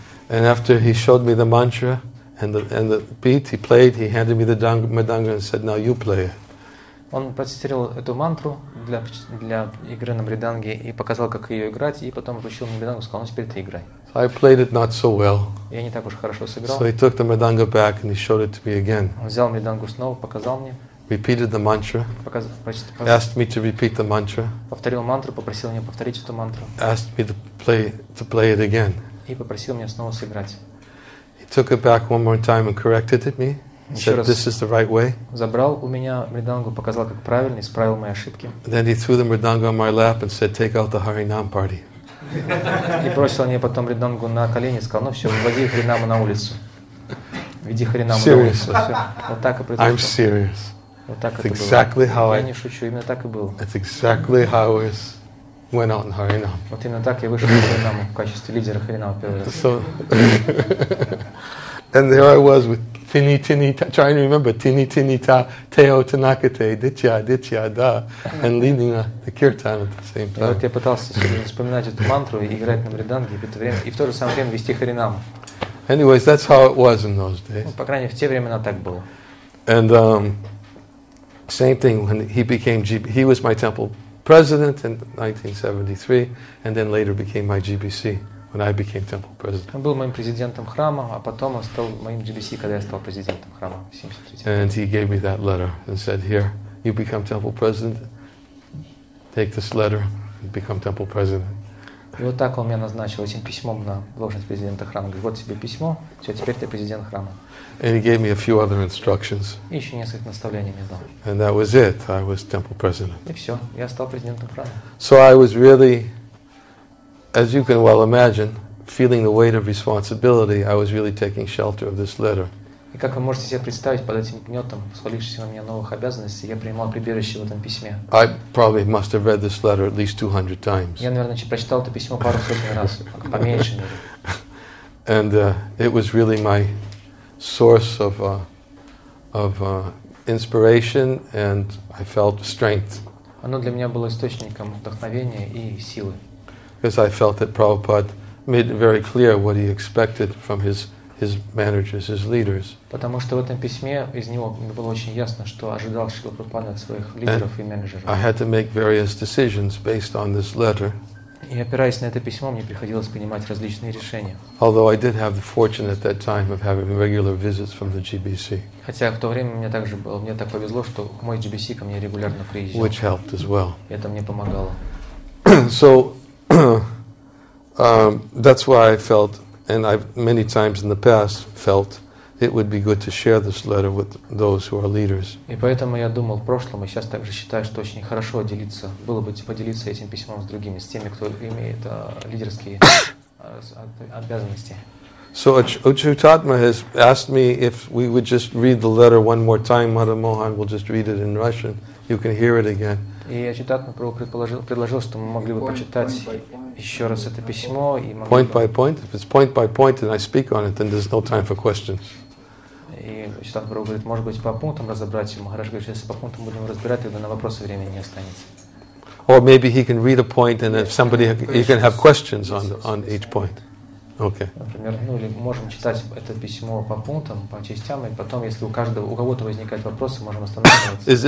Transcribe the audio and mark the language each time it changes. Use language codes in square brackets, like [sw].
[en] And after he showed me the mantra and the beat, he played, he handed me the mridanga and said, "Now you play it." [ru] Он процитировал эту мантру для игры на мриданге и показал, как ее играть, и потом вручил мне мридангу и сказал: "Ну теперь ты играй." [en] So I played it not so well. [ru] Я не так уж хорошо сыграл. [en] So he took the mridanga back and he showed it to me again. [ru] Он взял мридангу снова, показал мне. [en] Repeated the mantra. Asked me to repeat the mantra. [ru] Повторил мантру, попросил меня повторить эту мантру. [en] Asked me to play it again. [ru] И попросил меня снова сыграть. [en] He took it back one more time and corrected it me. Said this is the right way. [ru] Забрал у меня мридангу, показал как правильно, исправил мои ошибки. [en] Then he threw the mridanga on my lap and said, "Take out the Hari Nam party." [ru] И бросил мне потом мридангу на колени, сказал: "Ну все, выводи Хари Наму на улицу, веди Хари Наму на улицу." Все. Вот так и произошло. [en] I'm serious. [ru] Вот так [en] it's exactly [ru] было. [en] How [ru] я не шучу, именно так и было. [en] It's exactly how I went out in Харинам. [ru] Вот именно так я вышел в Харинаму в качестве лидера Харинама первый раз. [en] So, and there I was with tini tini ta, trying to remember tini tini ta teo tanakate ditya ditya da and leading the kirtan at the same time. [ru] И вот я пытался вспоминать эту мантру и играть на мриданге и в то же самое время вести Харинаму. [en] Anyways, that's how it was in those days. [ru] По крайней мере, в те времена так было. [en] And same thing when he became GBC. He was my temple president in 1973, and then later became my GBC when I became temple president. [ru] Он был моим президентом храма, а потом он стал моим GBC, когда я стал президентом храма в 73. [en] And he gave me that letter and said, "Here, you become temple president. Take this letter and become temple president." [ru] И вот так он меня назначил этим письмом на должность президента храма. Говорит: "Вот тебе письмо. Все, теперь ты президент храма." [en] And he gave me a few other instructions. [ru] И еще несколько наставлений мне дал. [en] And that was it. I was temple president. [ru] И все. Я стал президентом храма. [en] So I was really, as you can well imagine, feeling the weight of responsibility. I was really taking shelter of this letter. [ru] И как вы можете себе представить, под этим гнетом, свалившимся на меня новых обязанностей, я принимал прибежище в этом письме. [en] I probably must have read this letter at least 200 times. [ru] Я, наверное, прочитал это письмо пару сотен раз, по меньшей мере. [en] And it was really my source of inspiration, and I felt strength. [ru] Оно для меня было источником вдохновения и силы. [en] Because I felt that Prabhupada made it very clear what he expected from his managers, his leaders. [ru] Потому что в этом письме из него было очень ясно, что ожидал Шрила Прабхупада от своих лидеров и менеджеров. [en] I had to make various decisions based on this letter. [ru] И опираясь на это письмо, мне приходилось принимать различные решения. [en] Although I did have the fortune at that time of having regular visits from the GBC. [ru] Хотя в то время мне также было, мне так повезло, что мой GBC ко мне регулярно приезжал. [en] Which helped as well. [ru] Это мне помогало. [en] So that's why I felt, and I've many times in the past felt, it would be good to share this letter with those who are leaders. [ru] И поэтому я думал в прошлом, и сейчас также считаю, что очень хорошо делиться, было бы поделиться этим письмом с другими, с теми, кто имеет лидерские обязанности. [en] So Achyutatma has asked me if we would just read the letter one more time, Madam Mohan, we'll just read it in Russian, you can hear it again. [ru] И Achyutatma предложил, что мы могли бы почитать еще раз это письмо. И [en] point by point? If it's point by point and I speak on it, then there's no time for questions. [ru] И Читан Прабху говорит, может быть, по пунктам разобрать ему. Махарадж говорит, если по пунктам будем разбирать, тогда на вопросы времени не останется. [en] Or maybe he can read a point and if somebody, he can have questions on each point. Okay. [ru] Например, ну или можем читать это письмо по пунктам, по частям, и потом, если у кого-то возникают вопросы, можем останавливаться.